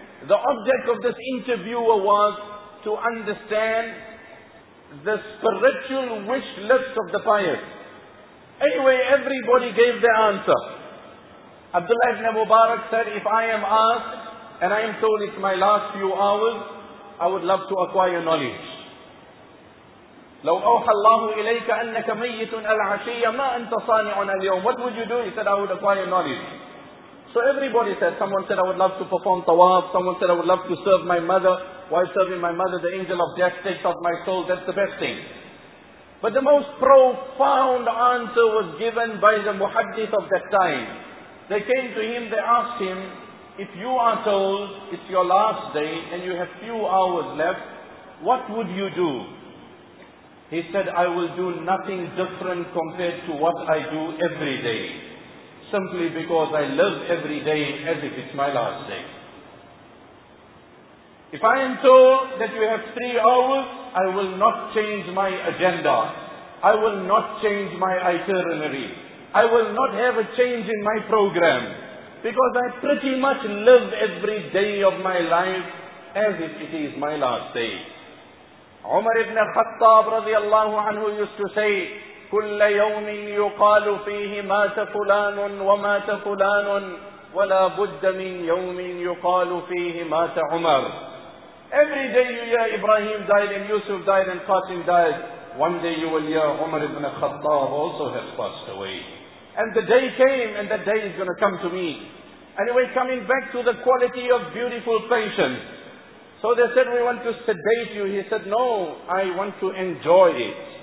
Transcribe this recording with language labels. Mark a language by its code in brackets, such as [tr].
[en] The object of this interviewer was to understand the spiritual wish list of the pious. Anyway, everybody gave their answer. Abdullah ibn Mubarak said, if I am asked, and I am told it's my last few hours, I would love to acquire knowledge. [ar] لو أوحى الله إليك أنك ميت العشية ما أنت صانع اليوم. [en] What would you do? He said, I would acquire knowledge. So everybody said, someone said, I would love to perform tawaf. Someone said, I would love to serve my mother. While serving my mother, the angel of death takes off my soul. That's the best thing. But the most profound answer was given by the muhaddith of that time. They came to him, they asked him, if you are told it's your last day and you have few hours left, what would you do? He said, I will do nothing different compared to what I do every day. So simply because I live every day as if it's my last day. If I am told that you have 3 hours, I will not change my agenda. I will not change my itinerary. I will not have a change in my program. Because I pretty much live every day of my life as if it is my last day. Umar ibn Khattab radiallahu anhu used to say, [ar] كل يوم يقال فيه مات فلان ومات فلان ولا بد من يوم يقال فيه مات عمر. [en] Every day you hear Ibrahim died and Yusuf died and Qasim died. One day you will hear Umar ibn Khattab also has passed away. And the day came and that day is going to come to me. Anyway, coming back to the quality of beautiful patience. So they said, we want to sedate you. He said, no, I want to enjoy it.